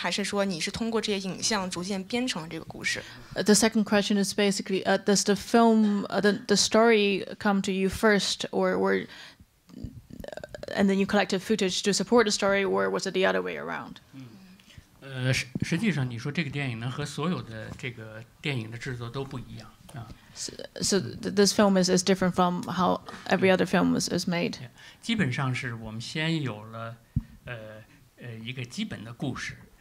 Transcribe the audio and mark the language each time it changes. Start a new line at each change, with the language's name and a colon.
Chinese: 第二个问题是，就是您在做这个电影的过程中，是首先，我知道您刚刚有讲过说，在这过程中你要想用这样的方式去讲这么一个故事，但是它是这故事先行呢，还是说你是通过这些影像逐渐编成这个故事？
English: The second question is basically, does the film, the story come to you first, and then you collected footage to support the story, or was it the other way around?
Chinese: 实际上你说这个电影呢，和所有的这个电影的制作都不一样。
English: So this film is different from how every other film is made?
Chinese: 基本上是我们先有了一个基本的故事。